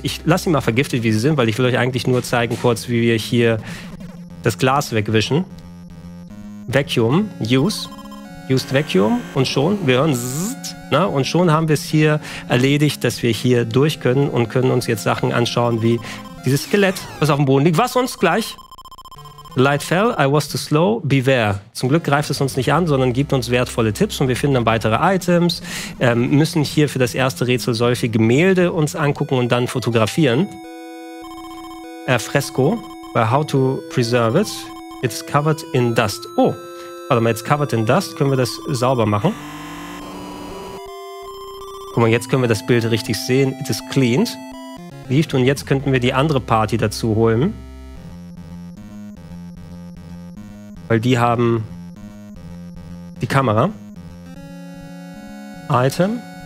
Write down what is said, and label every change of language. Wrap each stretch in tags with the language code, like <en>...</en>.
<de>Ich lasse sie mal vergiftet, wie sie sind, weil ich will euch eigentlich nur zeigen kurz, wie wir hier das Glas wegwischen. Vacuum, use. Used Vacuum und schon, wir hören zzzzt, ne? Und schon haben wir es hier erledigt, dass wir hier durch können und können uns jetzt Sachen anschauen wie dieses Skelett, was auf dem Boden liegt, was uns gleich.</de> <en>Light fell, I was too slow, beware.</en> <de>Zum Glück greift es uns nicht an, sondern gibt uns wertvolle Tipps und wir finden dann weitere Items, müssen hier für das erste Rätsel solche Gemälde uns angucken und dann fotografieren.</de> <en>Fresco, how to preserve it, it's covered in dust. Oh.</en> <de>Warte mal, jetzt</de> <en>covered in dust,</en> <de>können wir das sauber machen. Guck mal, jetzt können wir das Bild richtig sehen.</de> <en>It is cleaned.</en> <de>Lief, und jetzt könnten wir die andere Party dazu holen. Weil die haben die Kamera. Item.</de>